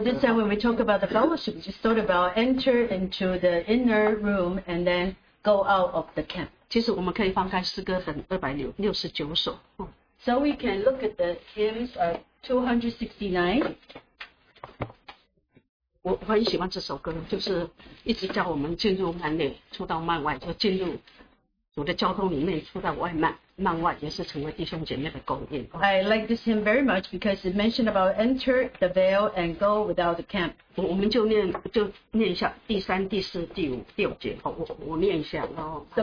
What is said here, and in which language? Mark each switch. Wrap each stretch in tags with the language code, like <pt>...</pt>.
<en>this time when we talk about the fellowship, we just thought about enter into the inner room and then go out of the camp.</en> <zh>其实我们可以翻开诗歌本269首。</zh> <en>So we can look at the hymns of 269.</en> <zh>我很喜欢这首歌，就是一直叫我们进入幔内，出到幔外，就进入。</zh> <en>I like this hymn very much because it mentioned about enter the veil and go without the camp.</en> <zh>我们就念一下第三、第四、第五、第六节。好，我念一下。</zh> <en>So</en>